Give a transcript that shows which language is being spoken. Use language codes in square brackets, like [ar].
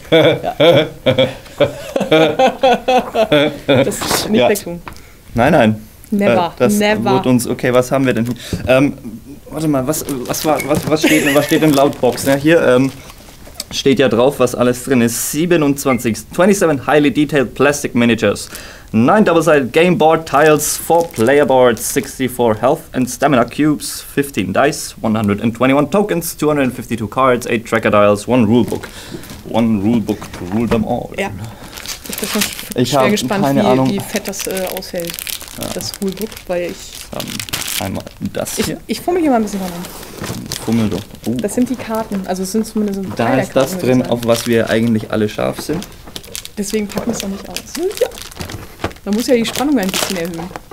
[de] Ja. Das ist nicht wegtun. Nein. [en] Never. [de] Wird uns, okay, was haben wir denn? Warte mal, was steht denn laut Box? Ja, hier steht ja drauf, was alles drin ist. [en] 27 highly detailed plastic miniatures. 9 double-sided game board tiles, 4 player boards, 64 health and stamina cubes, 15 dice, 121 tokens, 252 cards, 8 tracker dials, 1 rulebook. One rulebook to rule them all. [de] Ja. Ich bin schon sehr gespannt, wie fett das aushält. Ja. Das Rulebook, weil ich... Einmal das hier. Ich fummel hier mal ein bisschen ran. Fummel doch. Oh. Das sind die Karten. Also es sind zumindest ein paar Karten. Da ist das drin, auf was wir eigentlich alle scharf sind. Deswegen packen wir es doch nicht aus. Ja. Man muss ja die Spannung ein bisschen erhöhen.